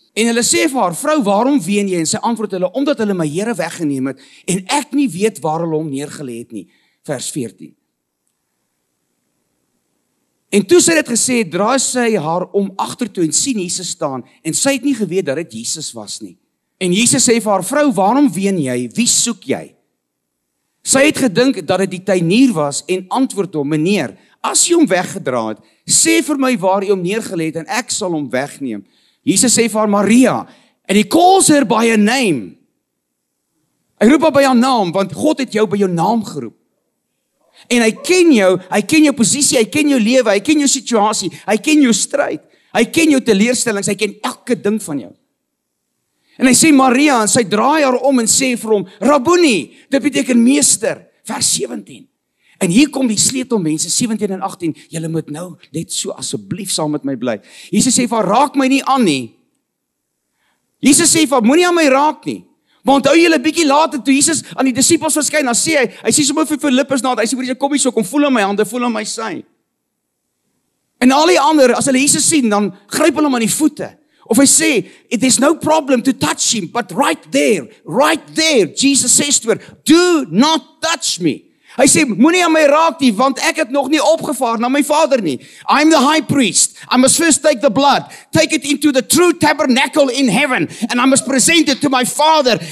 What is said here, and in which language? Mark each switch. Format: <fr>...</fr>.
<af>En hulle sê vir haar, vrou, waarom ween jy? En sy antwoord hulle, omdat hulle my Here weggeneem het, en ek nie weet waar hulle hom neergelê het nie, vers 14. En toe sy het gesê, draai sy haar om achter toe en sien Jesus staan, en sy het nie geweet dat het Jesus was nie. En Jesus sê vir haar, vrou, waarom ween jy? Wie soek jy? Sy het gedink dat het die tuinier was en antwoord hom, meneer, as jy hom weggedra het, sê vir my waar jy hom neergelê het en ek sal hom wegneem. Jesus sê vir haar, Maria,</af> <en>and he calls her by her name.</en> <af>Hy roep haar by haar naam, want God het jou by jou naam geroep. En hy ken jou posisie, hy ken jou lewe, hy ken jou situasie, hy ken jou stryd, hy ken jou teleurstellings, hy ken elke ding van jou. En hy sê Maria, en sy draai haar om en sê vir hom, Rabboni, dit beteken meester, vers 17. En hier kom die sleutel mense, 17 en 18, julle moet nou net so asseblief saam met my bly. Jesus sê vir raak my nie aan nie. Jesus sê vir moenie aan my raak nie. Want hou julle bietjie later toe Jesus aan die disippels verskyn, dan sê hy sê sommer vir Filippus na, hy sê vir jy kom hier so kom voel in my hande, voel in my sy. En al die ander, as hulle Jesus sien, dan gryp hulle hom aan die voete. Of hy sê,</af> <en>it is no problem to touch him, but right there, Jesus says to her, do not touch me.</en> <af>Hy sê, moenie aan my raak nie, want ek het nog nie opgevaar na my vader nie.</af> <en>I'm the high priest. I must first take the blood, take it into the true tabernacle in heaven, and I must present it to my father.</en>